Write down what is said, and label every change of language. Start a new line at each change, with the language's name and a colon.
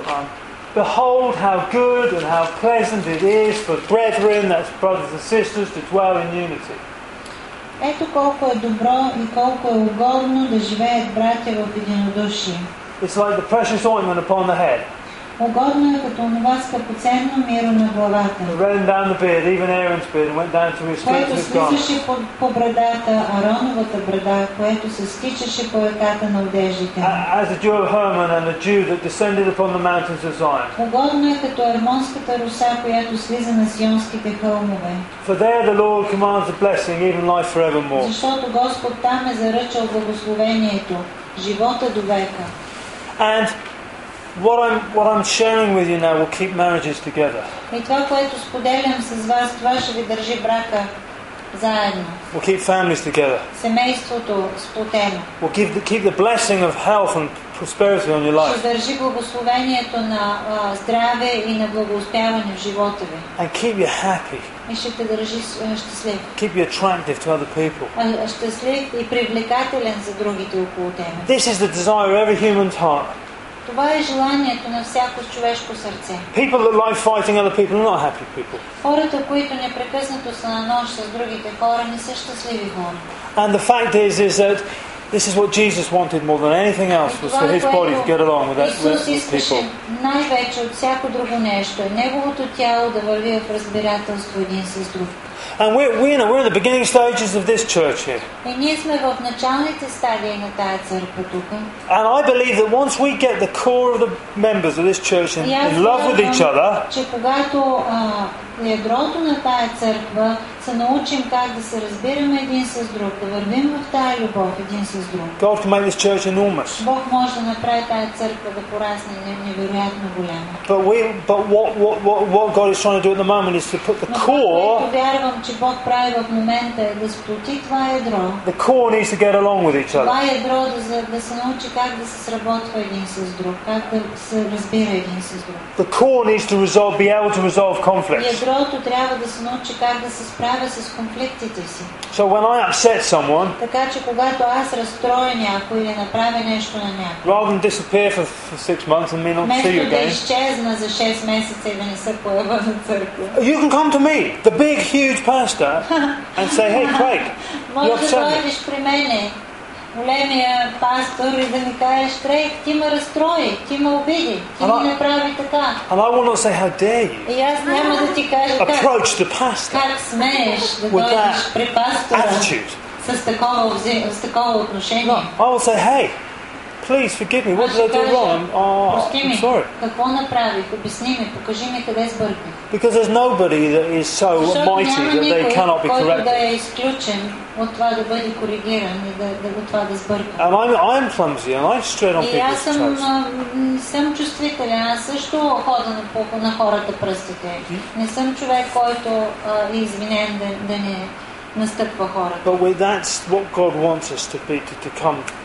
English: It says behold how good and how pleasant it is for brethren, that's brothers and sisters, to dwell in unity.
Bulgarian: Ето колко е добро и колко е угодно да живеят братя в единодушие.
English: It's like the precious ointment upon the head.
Bulgarian: Угодно е като онова скъпоценно миро на главата.
English: It ran down the beard, even Aaron's beard, and went down to his feet.
Bulgarian: Което слизаше по брадата, Ароновата брада, което се стичаше по ръката на одеждите.
English: As a Jew of Hermon and a Jew that descended upon the mountains of Zion.
Bulgarian: Угодно е като ермонската руса, която слиза на сионските хълмове.
English: For there the Lord commands a blessing, even life forevermore.
Bulgarian: Защото Господ там е заръчал благословението, живота до века.
English: And What I'm sharing with you now will keep marriages together.
Bulgarian: И това, което споделям с вас, това ще ви държи брака заедно.
English: We'll keep families together.
Bulgarian: Семейството сплотено.
English: We'll keep the blessing of health and prosperity on your life.
Bulgarian: Ще държи благословението на здраве и на благоуспяване в живота ви.
English: And keep you happy.
Bulgarian: И ще те държи щастлив.
English: Keep you attractive to other people.
Bulgarian: Щастлив и привлекателен за другите около теб.
English: This is the desire of every human's heart.
Bulgarian: Това е желанието на всяко човешко сърце.
English: People that like fighting other people are not happy people.
Bulgarian: Хората, които непрекъснато са на нож с другите хора, не са щастливи хора.
English: And the fact is that this is what Jesus wanted more than anything else was for his body to get along with that
Bulgarian: Исус
English: with people.
Bulgarian: Най-вече от всяко друго нещо, неговото тяло да върви в разбирателство един с друг.
English: And we're in the beginning stages of this church here.
Bulgarian: И ние сме в началните стадии на тази църква тук.
English: And I believe that once we get the core of the members of this church in love with each other,
Bulgarian: че когато ядрото на тая църква се научим как да се разбираме един с друг, да вървим в тая любов един с друг.
English: God can make this church enormous.
Bulgarian: Бог може да направи тая църква да порасне невероятно голяма.
English: But what God is trying to do at the moment is to put the core.
Bulgarian: Вярвам, че Бог прави в момента да сплоти това ядро.
English: The core needs to get along with each other.
Bulgarian: Това ядро да се научи как да се сработва един с друг, как да се разбира един с друг.
English: The core needs to be able to resolve conflicts.
Bulgarian: Ядрото трябва да се научи как да се справи. справя с конфликтите си.
English: So when I upset someone,
Bulgarian: така че когато аз разстроя някой или направя нещо на някой,
English: rather than disappear for 6 months and may not see you again,
Bulgarian: вместо да изчезна за 6 месеца и да не се появя на църква,
English: you can come to me, the big, huge pastor, and say, hey, Craig, you upset me.
Bulgarian: Може да дойдеш при мене, големия пастор, и да ми кажеш, Craig, ти ме разстрои, ти ме обиди, ти ми направи така.
English: And I will not say, how dare you?
Bulgarian: И аз няма да ти кажа как.
English: Approach the pastor.
Bulgarian: Как смееш да дойдеш при пастора?
English: Attitude.
Bulgarian: С такова отношение.
English: No, I will say, hey, please forgive me. What did I do wrong? Oh, I'm sorry.
Bulgarian: Какво направих? Обясни ми, покажи ми къде сбъркам.
English: Because there's nobody that is so mighty that they cannot be corrected.
Bulgarian: Да е изключен от това да бъде коригиран и да от това да сбъркам.
English: And I'm clumsy and I tread on people's toes.
Bulgarian: И аз съм чувствителен, аз също хода на хората пръстите. Не съм човек, който е извинен да не настъпва хората.
English: But that's what God wants us to be, to come.